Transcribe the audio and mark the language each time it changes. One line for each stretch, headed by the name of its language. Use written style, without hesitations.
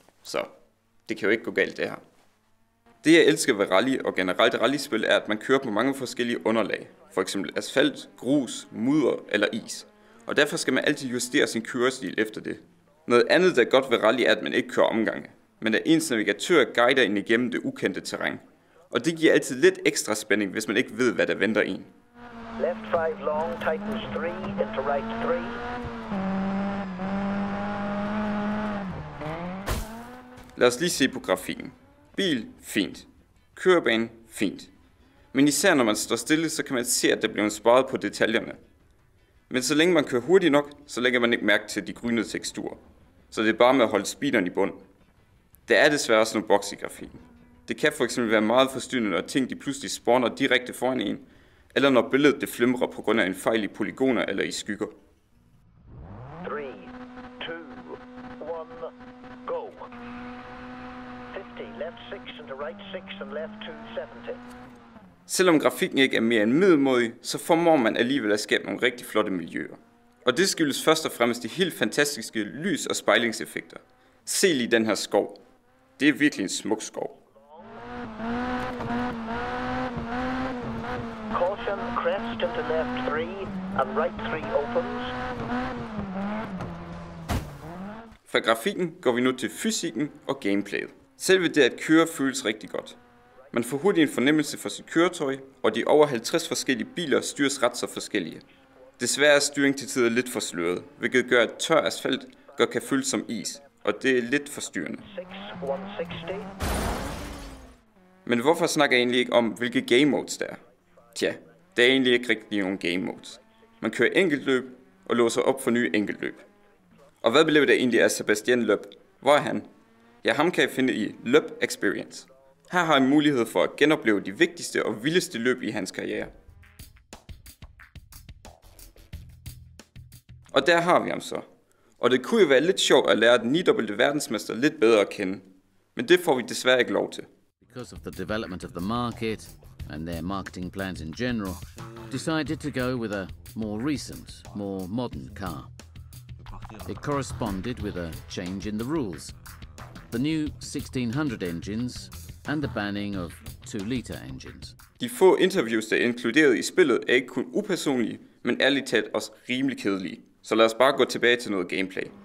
Danish: Så det kan jo ikke gå galt det her. Det jeg elsker ved rally og generelt rallyspil er, at man kører på mange forskellige underlag. F.eks. asfalt, grus, mudder eller is. Og derfor skal man altid justere sin kørestil efter det. Noget andet, der er godt ved rally, er, at man ikke kører omgange. Men at ens navigatør guider en igennem det ukendte terræn. Og det giver altid lidt ekstra spænding, hvis man ikke ved, hvad der venter en.
English: Left 5 long, Titans 3, into right 3.
Danish: Lad os lige se på grafikken. Bil, fint. Kørebane, fint. Men især når man står stille, så kan man se, at der bliver sparet på detaljerne. Men så længe man kører hurtigt nok, så lægger man ikke mærke til de grønne teksturer. Så det er bare med at holde speederen i bund. Der er desværre også nogle bugs i grafikken. Det kan fx være meget forstyrrende, når ting de pludselig spawner direkte foran en, eller når billedet det flimrer på grund af en fejl i polygoner eller i skygger.
English: 3, 2, 1, go. 50, left 6 and right 6 and left 2, 70.
Danish: Selvom grafikken ikke er mere end middelmådig, så formår man alligevel at skabe nogle rigtig flotte miljøer. Og det skyldes først og fremmest de helt fantastiske lys- og spejlingseffekter. Se lige den her skov. Det er virkelig en smuk skov.
English: Caution, crest into left 3 and right 3 opens.
Danish: Fra grafikken går vi nu til fysikken og gameplayet. Selve det at køre føles rigtig godt. Man får hurtigt en fornemmelse for sit køretøj, og de over 50 forskellige biler styres ret så forskellige. Desværre er styring til tider lidt for sløret, hvilket gør, at tør asfalt godt kan føles som is, og det er lidt forstyrrende. Men hvorfor snakker jeg egentlig ikke om, hvilke game modes der er? Tja, der er egentlig ikke rigtig nogen game modes. Man kører enkeltløb og låser op for nye enkeltløb. Og hvad bliver det egentlig af Sebastian Loeb? Hvor er han? Ja, ham kan I finde i Loeb Experience. Her har I mulighed for at genopleve de vigtigste og vildeste løb i hans karriere. Og der har vi ham så. Og det kunne jo være lidt sjovt at lære den nidobbelte verdensmester lidt bedre at kende. Men det får vi desværre ikke lov til.
English: Because of the development of the market and their marketing plans in general, decided to go with a more recent, more modern car. It corresponded with a change in the rules. The new 1600 engines and the banning of 2-liter engines.
Danish: De få interviews, der er inkluderet i spillet, er ikke kun upersonlige, men ærligt talt også rimelig kedelige. Så lad os bare gå tilbage til noget gameplay.